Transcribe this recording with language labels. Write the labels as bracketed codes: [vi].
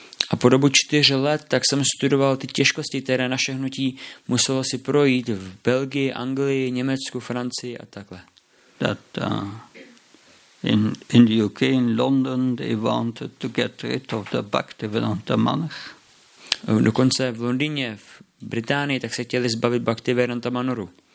[cs] A po dobu 4 let tak jsem studoval ty těžkosti, které naše hnutí muselo si projít v Belgii, Anglii, Německu, Francii a takhle. [en] That in the UK, in London, they wanted to get rid of the Bhaktivedanta Manor. [cs] Dokonce v Londýně, v Británii, tak se chtěli zbavit Bhaktivedanta Manoru.